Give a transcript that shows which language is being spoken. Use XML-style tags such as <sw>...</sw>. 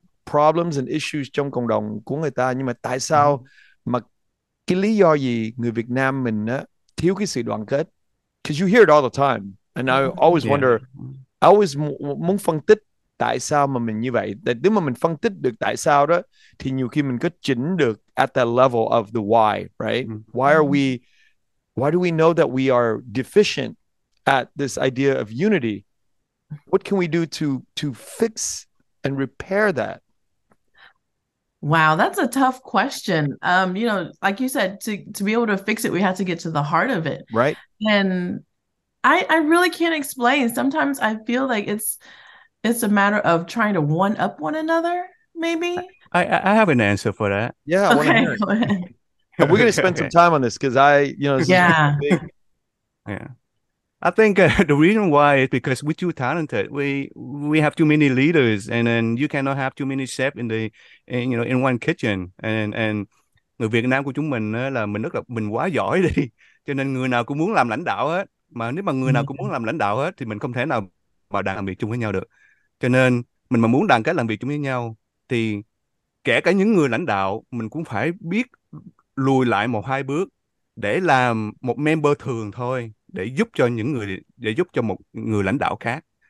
<vi>problems and issues trong cộng đồng của người ta, nhưng mà tại sao mà cái lý do gì người Việt Nam mình á thiếu cái sự đoàn kết?</vi> <en>Because you hear it all the time, and I always wonder, I always</en> <vi>muốn phân tích tại sao mà mình như vậy. Tại nếu mà mình phân tích được tại sao đó, thì nhiều khi mình có chỉnh được</vi> <en>at the level of the why, right? Why do we know that we are deficient at this idea of unity? What can we do to fix and repair that? Wow, that's a tough question. You know, like you said, to be able to fix it, we have to get to the heart of it. Right. And I really can't explain. Sometimes I feel like it's a matter of trying to one up one another, maybe. I have an answer for that. Yeah, okay, I want to hear it. We're going to spend some time on this because I, you know, this yeah. is really big. Yeah. I think the reason why is because we're too talented. We have too many leaders, and then you cannot have too many chefs in one kitchen.</en> <vi>And người Việt Nam của chúng mình là mình quá giỏi đi. Cho nên người nào cũng muốn làm lãnh đạo hết. Mà nếu mà người nào cũng muốn làm lãnh đạo hết thì mình không thể nào bảo đảm làm việc chung với nhau được. Cho nên mình mà muốn đoàn kết làm việc chung với nhau thì kể cả những người lãnh đạo mình cũng phải biết lùi lại một hai bước để làm một member thường thôi, để giúp cho một người lãnh đạo khác.</vi>